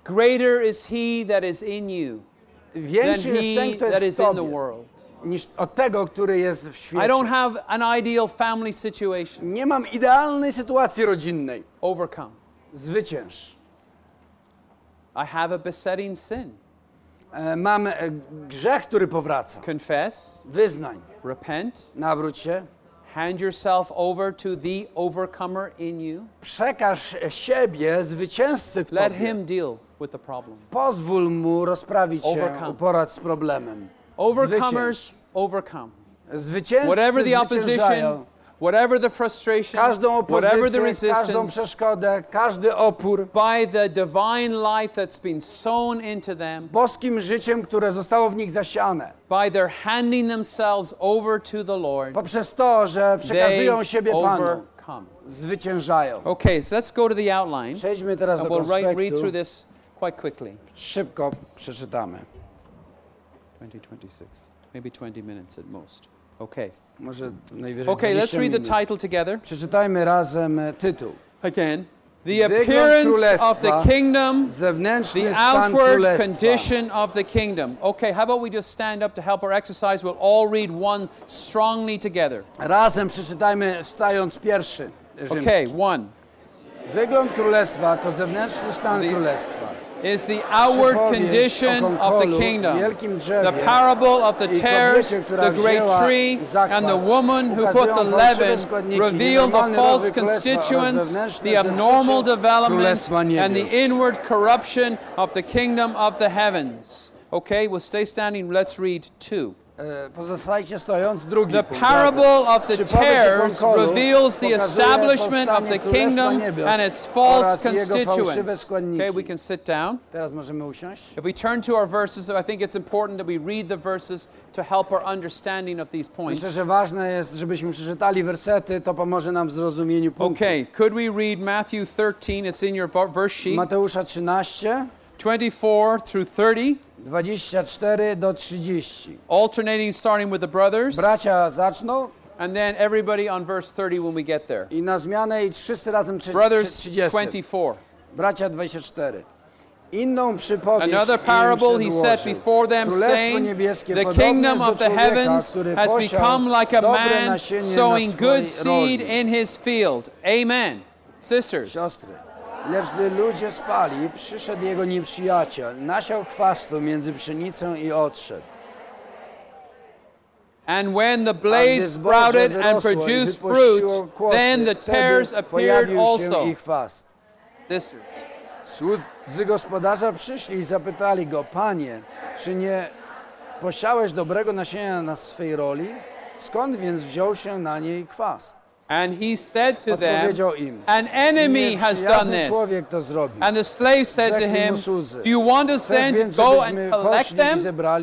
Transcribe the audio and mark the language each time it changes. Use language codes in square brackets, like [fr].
[en] Greater is he that is in you [pl] większy [en] than [pl] jest [en] he [pl] ten, kto [en] that [pl] jest [en] is in the world. [pl] Niż od tego, który jest w świecie. [en] I don't have an ideal family situation. [pl] Nie mam idealnej sytuacji rodzinnej. [en] Overcome. [pl] Zwycięż. [en] I have a besetting sin. [pl] Mam grzech, który powraca. [en] Confess. [pl] Wyznań. [en] Repent. [pl] Nawróć się. [en] Hand yourself over to the overcomer in you. [pl] Przekaż siebie zwycięzcy w tobie. [en] Let him deal with the problem. [pl] Pozwól mu rozprawić się, uporać z problemem. [en] Overcomers overcome. [pl] Zwycięzcy [en] whatever the opposition, whatever the frustration, [pl] każdą opozycję, [en] whatever the resistance, [pl] każdą przeszkodę, każdy opór, [en] by the divine life that's been sown into them, [pl] boskim życiem, które zostało w nich zasiane, [en] by their handing themselves over to the Lord, [pl] poprzez to, że przekazują siebie Panu, zwyciężają. [en] Okay, so let's go to the outline. [pl] Przejdźmy teraz [en] and [pl] do [en] we'll [pl] konspektu. [en] Read through this quite quickly. [pl] Szybko przeczytamy. [en] 2026, maybe 20 minutes at most. Okay. [pl] Może najwyżej [en] okay, let's read [pl] minut. [en] The title together. [pl] Przeczytajmy razem tytuł. [en] Again. The appearance of the kingdom, [pl] zewnętrzny [en] the outward [pl] królestwa. [en] Condition of the kingdom. Okay, how about we just stand up to help our exercise? We'll all read one strongly together. [pl] Razem przeczytajmy wstając pierwszy rzymski. [en] Okay, one. [pl] Wygląd królestwa to zewnętrzny stan królestwa. [en] Is the outward condition of the kingdom. The parable of the tares, the great tree, and the woman who put the leaven reveal the false constituents, the abnormal development, and the inward corruption of the kingdom of the heavens. Okay, we'll stay standing. Let's read two. [pl] Pozostajcie stojąc, drugi [en] the parable of the tares reveals the establishment of the kingdom and its false constituents. Okay, we can sit down. [pl] Teraz możemy usiąść. [en] If we turn to our verses, I think it's important that we read the verses to help our understanding of these points. [pl] Myślę, że ważne jest, żebyśmy przeczytali wersety, to pomoże nam w zrozumieniu punktów. [en] Okay, could we read Matthew 13? It's in your verse sheet. [pl] Mateusza 13. [en] 24 through 30. [pl] 24 do 30. [en] Alternating starting with the brothers. [pl] Bracia zaczną. [en] And then everybody on verse 30 when we get there. [pl] I na zmianę i 300 razem 30. [en] Brothers 24. [pl] Bracia 24. Inną przypowieść. [en] Another parable he set before them, saying, the kingdom of the heavens has become like a man sowing good seed in his field. Amen. Sisters. [pl] Siostry. Lecz gdy ludzie spali, przyszedł jego nieprzyjaciel, nasiał chwastu między pszenicą i odszedł. [en] And when the blades sprouted and produced fruit, then the tares appeared also. Sisters. [pl] Słudzy gospodarza przyszli i zapytali go, Panie, czy nie posiałeś dobrego nasienia na swej roli? Skąd więc wziął się na niej chwast? [en] And he said to them, an enemy has done this. And the slave said to him, do you want us then to go and collect them?